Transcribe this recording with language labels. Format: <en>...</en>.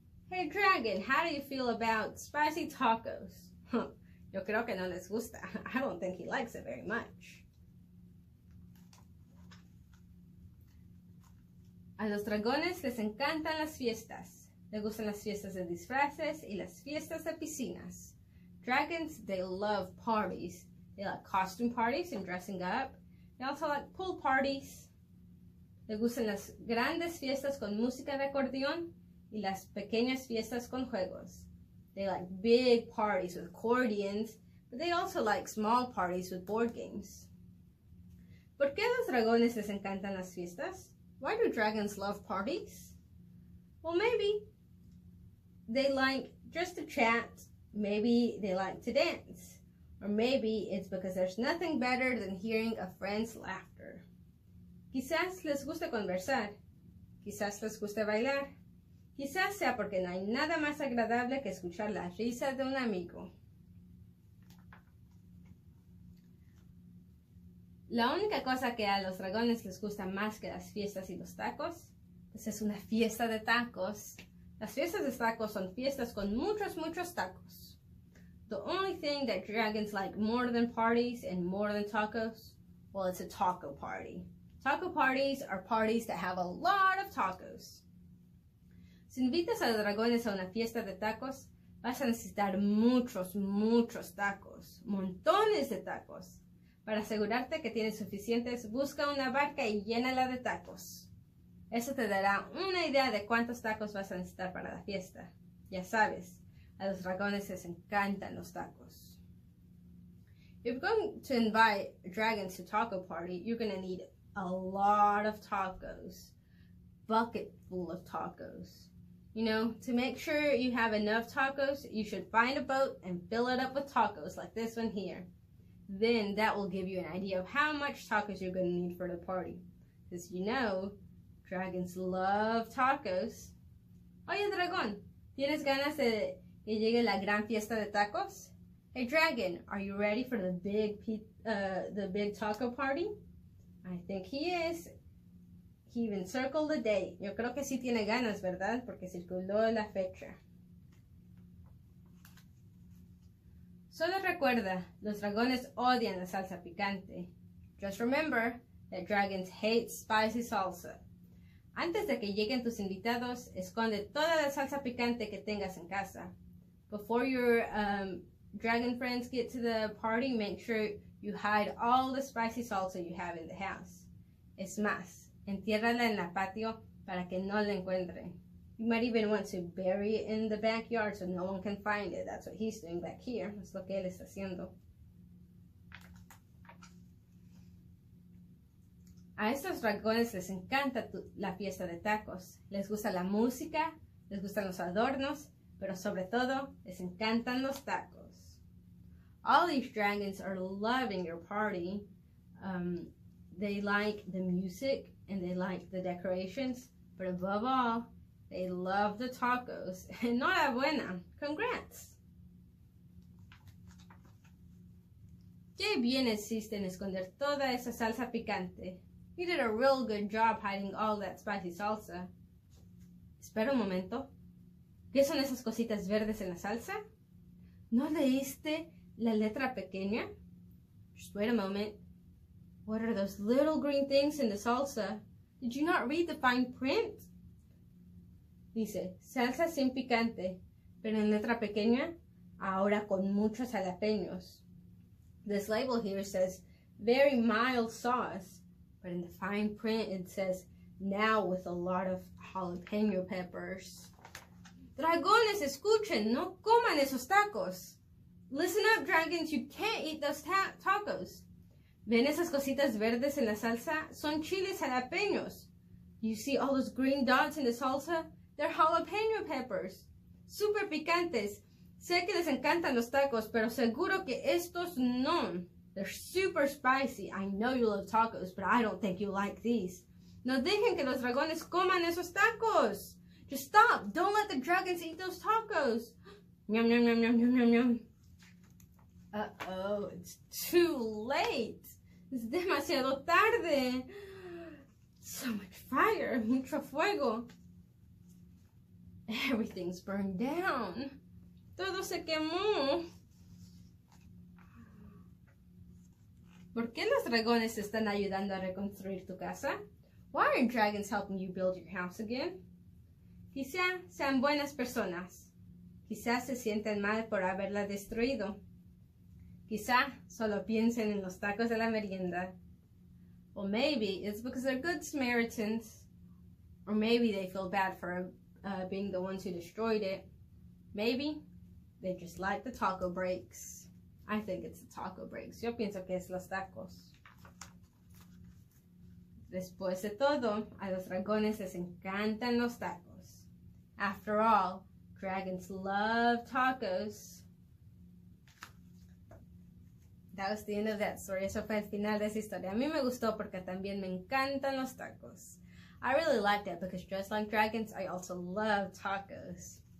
<en>Hey, dragon, how do you feel about spicy tacos?</en> <es>Yo creo que no les gusta.</es> <en>I don't think he likes it very much.</en> <es>A los dragones les encantan las fiestas. Les gustan las fiestas de disfraces y las fiestas de piscinas.</es> <en>Dragons, they love parties. They like costume parties and dressing up. They also like pool parties.</en> <es>Le gustan las grandes fiestas con música de acordeón y las pequeñas fiestas con juegos.</es> <en>They like big parties with accordions, but they also like small parties with board games.</en> <es>¿Por qué los dragones les encantan las fiestas?</es> <en>Why do dragons love parties? Well, maybe they like just to chat. Maybe they like to dance. Or maybe it's because there's nothing better than hearing a friend's laughter.</en> <es>Quizás les guste conversar. Quizás les guste bailar. Quizás sea porque no hay nada más agradable que escuchar la risa de un amigo. La única cosa que a los dragones les gusta más que las fiestas y los tacos, pues es una fiesta de tacos. Las fiestas de tacos son fiestas con muchos, muchos tacos.</es> <en>The only thing that dragons like more than parties and more than tacos, well, it's a taco party. Taco parties are parties that have a lot of tacos.</en> <es>Si invitas a los dragones a una fiesta de tacos, vas a necesitar muchos, muchos tacos, montones de tacos. Para asegurarte que tienes suficientes, busca una barca y llénala de tacos. Eso te dará una idea de cuántos tacos vas a necesitar para la fiesta. Ya sabes, a los dragones les encantan los tacos.</es> <en>If you're going to invite dragons to taco party, you're going to need a lot of tacos. Bucket full of tacos. You know, to make sure you have enough tacos, you should find a boat and fill it up with tacos like this one here. Then that will give you an idea of how much tacos you're going to need for the party. Because you know, dragons love tacos.</en> <es>Oye, dragón, ¿tienes ganas de que llegue la gran fiesta de tacos?</es> <en>Hey, dragon, are you ready for the big taco party? I think he is. He even circled the date.</en> <es>Yo creo que sí tiene ganas, ¿verdad? Porque circuló la fecha. Solo recuerda, los dragones odian la salsa picante.</es> <en>Just remember that dragons hate spicy salsa.</en> <es>Antes de que lleguen tus invitados, esconde toda la salsa picante que tengas en casa.</es> <en>Before your dragon friends get to the party, make sure you hide all the spicy salsa you have in the house.</en> <es>Es más, entiérrala en la patio para que no la encuentren.</es> <en>You might even want to bury it in the backyard so no one can find it. That's what he's doing back here.</en> <es>Es lo que él está haciendo. A estos dragones les encanta la fiesta de tacos. Les gusta la música, les gustan los adornos, pero sobre todo, les encantan los tacos.</es> <en>All these dragons are loving your party. They like the music and they like the decorations, but above all, they love the tacos.</en> <es>Enhorabuena.</es> <en>Congrats.</en> <es>Qué bien hiciste en esconder toda esa salsa picante.</es> <en>You did a real good job hiding all that spicy salsa.</en> <es>Espera un momento. ¿Qué son esas cositas verdes en la salsa? ¿No leíste la letra pequeña?</es> <en>Just wait a moment. What are those little green things in the salsa? Did you not read the fine print?</en> <es>Dice, salsa sin picante, pero en letra pequeña, ahora con muchos jalapeños.</es> <en>This label here says, very mild sauce. But in the fine print, it says, now with a lot of jalapeno peppers.</en> <es>Dragones, escuchen, no coman esos tacos.</es> <en>Listen up, dragons, you can't eat those tacos.</en> <es>¿Ven esas cositas verdes en la salsa? Son chiles jalapeños.</es> <en>You see all those green dots in the salsa? They're jalapeno peppers.</en> <es>Super picantes. Sé que les encantan los tacos, pero seguro que estos no.</es> <en>They're super spicy. I know you love tacos, but I don't think you like these.</en> <es>No dejen que los dragones coman esos tacos.</es> <en>Just stop. Don't let the dragons eat those tacos. Yum, yum, yum, yum, yum, yum, yum. Uh-oh, it's too late.</en> <es>Es demasiado tarde.</es> <en>So much fire.</en> <es>Mucho fuego.</es> <en>Everything's burned down.</en> <es>Todo se quemó. ¿Por qué los dragones están ayudando a reconstruir tu casa?</es> <en>Why are dragons helping you build your house again?</en> <es>Quizá sean buenas personas. Quizá se sienten mal por haberla destruido. Quizá solo piensen en los tacos de la merienda.</es> <en>Well, maybe it's because they're good Samaritans. Or maybe they feel bad for being the ones who destroyed it. Maybe they just like the taco breaks. I think it's the taco breaks.</en> <es>Yo pienso que es los tacos. Después de todo, a los dragones les encantan los tacos.</es> <en>After all, dragons love tacos. That was the end of that story.</en> <es>Eso fue el final de esa historia. A mí me gustó porque también me encantan los tacos.</es> <en>I really liked it because just like dragons, I also love tacos.</en>